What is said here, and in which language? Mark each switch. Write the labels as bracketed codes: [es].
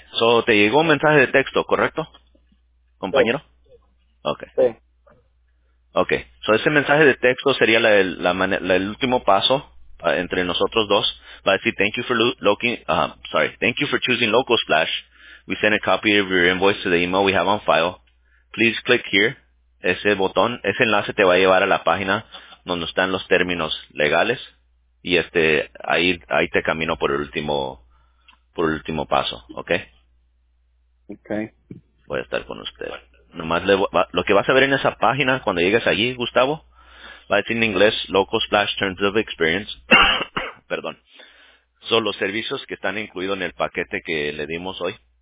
[es] So te llegó un mensaje de texto, ¿correcto, compañero? Okay. Sí. Okay, so ese mensaje de texto sería el último paso entre nosotros dos. Va a decir [en] thank you for choosing LocalSplash. We send a copy of your invoice to the email we have on file. Please click here. [es] Ese botón, ese enlace te va a llevar a la página donde están los términos legales y ahí te camino por el último paso, ¿okay? Okay. voy a estar con usted. Nomás le va, lo que vas a ver en esa página cuando llegues allí, Gustavo, va a decir en inglés, Local Splash Terms of Experience, perdón, son los servicios que están incluidos en el paquete que le dimos hoy.